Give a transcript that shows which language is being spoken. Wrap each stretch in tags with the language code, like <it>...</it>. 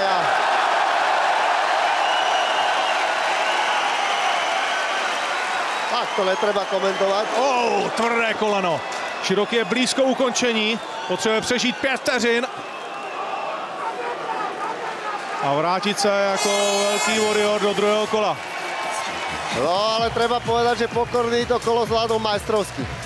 <sk>A tak to netreba komentovať. Tvrdé koleno.</sk> <cs>Široký je blízko ukončení. Potřebuje přežít 5 vteřin.</cs> <sk>A vrátiť sa ako veľký warrior do druhého kola. No, ale treba povedať, že Pokorný to kolo zvládol majstrovsky.</sk>